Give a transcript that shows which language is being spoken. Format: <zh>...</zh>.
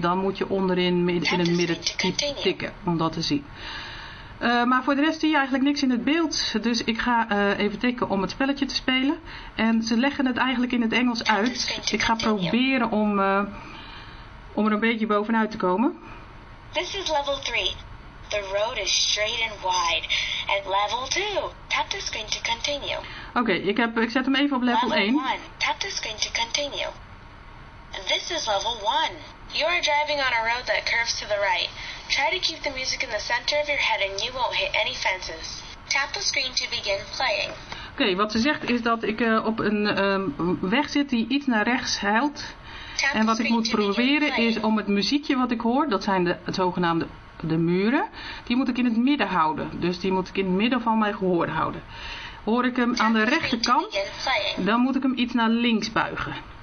<nl>Dan moet je onderin in het midden tikken om dat te zien. Maar voor de rest zie je eigenlijk niks in het beeld. Dus ik ga even tikken om het spelletje te spelen. En ze leggen het eigenlijk in het Engels uit. Ik ga proberen om er een beetje bovenuit te komen.</nl> <en>This is level 3. The road is straight and wide. At level 2, tap the screen to continue.</en> <nl>Okay, ik zet hem even op level 1.</nl> <en>Level 1, tap the screen to continue. This is level 1. You are driving on a road that curves to the right. Try to keep the music in the center of your head and you won't hit any fences. Tap the screen to begin playing.</en> <nl>Okay, wat ze zegt is dat ik op een weg zit die iets naar rechts helt. En wat ik moet proberen is om het muziekje wat ik hoor, dat zijn het zogenaamde de muren, die moet ik in het midden houden. Dus die moet ik in het midden van mijn gehoor houden. Hoor ik hem aan de rechterkant, dan moet ik hem iets naar links buigen.</nl>